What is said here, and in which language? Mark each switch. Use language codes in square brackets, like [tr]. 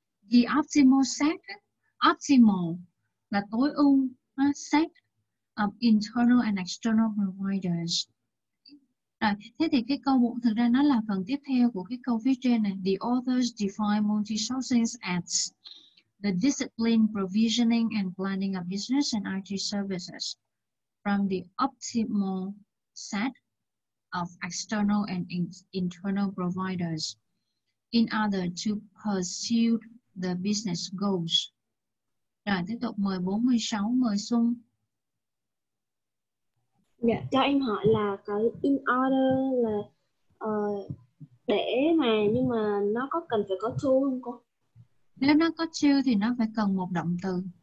[en] The optimal set, optimal [vi] là tối ưu, [en] set of internal and external providers. [vi] Rồi, thế thì cái câu thực ra nó là phần tiếp theo của cái câu phía trên này. [en] The authors define multi-sourcing as the discipline provisioning and planning of business and IT services from the optimal set of external and internal providers in order to pursue the business goals. [vi] Rồi tiếp tục mời 46, mời Xuân. Dạ, cho em hỏi là cái in order là để mà, nhưng mà nó có cần phải có to không cô? Nếu nó có to thì nó phải cần một động từ.